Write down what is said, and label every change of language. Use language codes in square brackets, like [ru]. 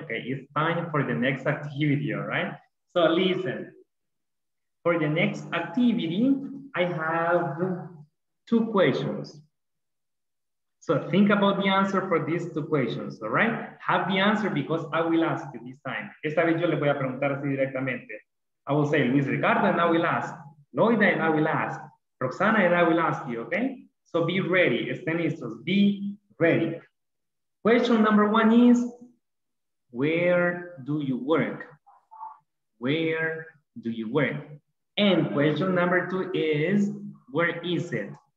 [en] Okay, it's time for the next activity. All right, so listen. For the next activity, I have two questions. So think about the answer for these two questions, all right? Have the answer because I will ask you this time. [es] Esta vez yo le voy a preguntar así directamente. [en] I will say Luis Ricardo and I will ask. Loida and I will ask. Roxana and I will ask you, okay? So be ready, [es] estén listos, [en] be ready. Question number one is, where do you work? Where do you work? And question number two is, where is it?